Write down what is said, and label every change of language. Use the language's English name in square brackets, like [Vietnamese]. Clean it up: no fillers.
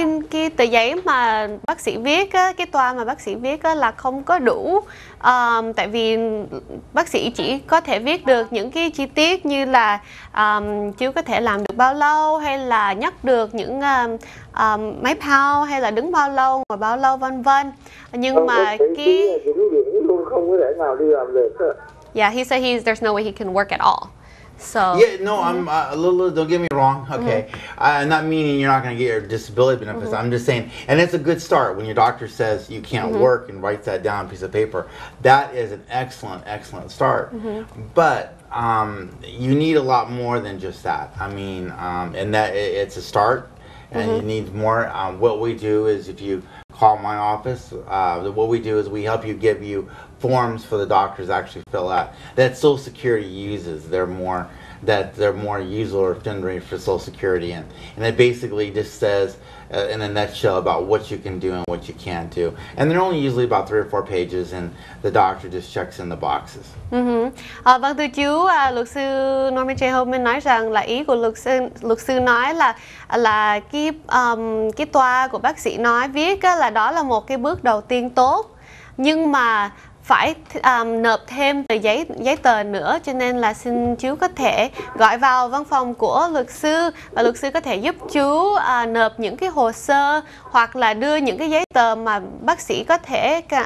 [Vietnamese] cái tờ giấy mà bác sĩ viết á, cái toa mà bác sĩ viết á, là không có đủ, tại vì bác sĩ chỉ có thể viết được những cái chi tiết như là chú có thể làm được bao lâu, hay là nhắc được những máy pao, hay là đứng bao lâu, ngồi bao lâu, vân vân. Nhưng mà cái luôn không có thể nào đi làm được. [English] Yeah, he said he's there's no way he can work at all. So yeah, no, mm-hmm. I'm a little, don't get me wrong, okay. Mm-hmm. I'm not meaning you're not going to get your disability benefits. Mm-hmm. I'm just saying, and it's a good start when your doctor says you can't mm-hmm. work and writes that down on a piece of paper. That is an excellent, excellent start. Mm-hmm. But you need a lot more than just that. I mean, and that it's a start, and mm-hmm. you need more. What we do is if you call my office, what we do is we help you give you forms for the doctors actually fill out that Social Security uses. They're more user friendly for Social Security, and it basically just says in a nutshell about what you can do and what you can't do. And they're only usually about 3 or 4 pages, and the doctor just checks in the boxes. Mm-hmm. [Vietnamese] Vâng, thưa chú, luật sư Norman J. Homen nói rằng là ý của luật sư nói là cái toa của bác sĩ nói viết là đó là một cái bước đầu tiên tốt, nhưng mà phải nộp thêm tờ giấy tờ nữa, cho nên là xin chú có thể gọi vào văn phòng của luật sư và luật sư có thể giúp chú nộp những cái hồ sơ hoặc là đưa những cái giấy tờ mà bác sĩ có thể